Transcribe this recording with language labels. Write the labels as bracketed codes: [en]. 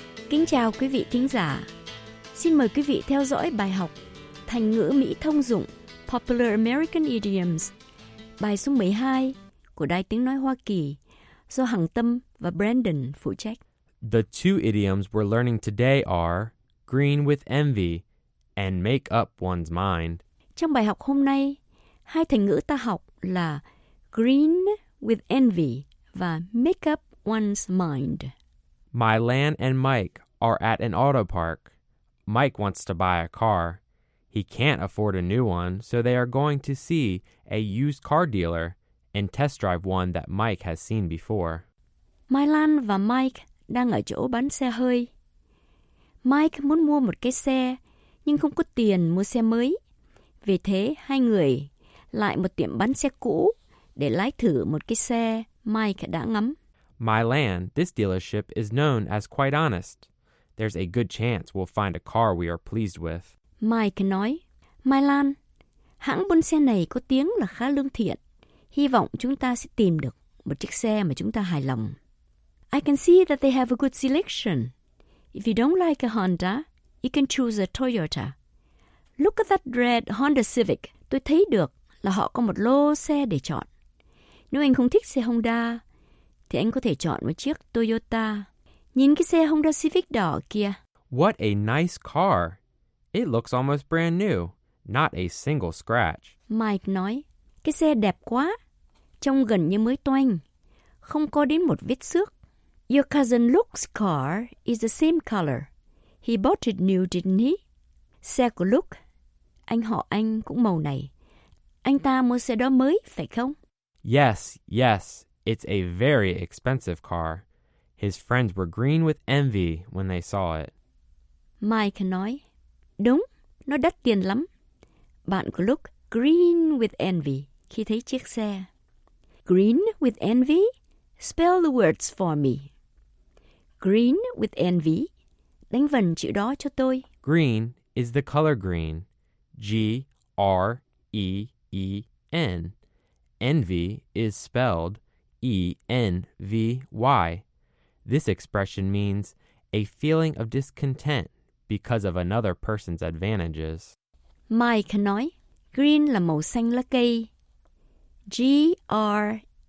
[vi] Kính chào quý vị thính giả. Xin mời quý vị theo dõi bài học thành ngữ Mỹ thông dụng [en] Popular American Idioms, [vi] bài số 12 của Đài Tiếng Nói Hoa Kỳ do Hằng Tâm và Brandon phụ trách. [en] The two idioms we're learning today are green with envy and make up one's mind. [vi] Trong bài học hôm nay, hai thành ngữ ta học là [en] green with envy [vi] và [en] make up one's mind. My Lan and Mike are at an auto park. Mike wants to buy a car. He can't afford a new one, so they are going to see a used car dealer and test drive one that Mike has seen before. [vi] My Lan và Mike đang ở chỗ bán xe hơi. Mike muốn mua một cái xe, nhưng không có tiền mua xe mới. Vì thế, hai người lại một tiệm bán xe cũ để lái thử một cái xe Mike đã ngắm. [en] My Lan, this dealership is known as quite honest. There's a good chance we'll find a car we are pleased with. [vi] Mike nói, My Lan, hãng buôn xe này có tiếng là khá lương thiện. Hy vọng chúng ta sẽ tìm được một chiếc xe mà chúng ta hài lòng. [en] I can see that they have a good selection. If you don't like a Honda, you can choose a Toyota. Look at that red Honda Civic. [vi] Tôi thấy được là họ có một lô xe để chọn. Nếu anh không thích xe Honda, thì anh có thể chọn một chiếc Toyota. Nhìn cái xe Honda Civic đỏ kia. [en] What a nice car. It looks almost brand new. Not a single scratch. [vi] Mike nói, cái xe đẹp quá. Trông gần như mới toanh. Không có đến một vết xước. [en] Your cousin Luke's car is the same color. He bought it new, didn't he? [vi] Xe của Luke, anh họ anh cũng màu này. Anh ta mua xe đó mới, phải không? [en] Yes, yes. It's a very expensive car. His friends were green with envy when they saw it. [vi] Mike nói, đúng, nó đắt tiền lắm. Bạn của Luke [en] green with envy [vi] khi thấy chiếc xe. [en] Green with envy? Spell the words for me. Green with envy? [vi] Đánh vần chữ đó cho tôi. [en] Green is the color green. G-R-E-E-N. Envy is spelled E-N-V-Y. This expression means a feeling of discontent because of another person's advantages. [vi] Mike nói, green là màu xanh lá cây. G-R-E-E-N.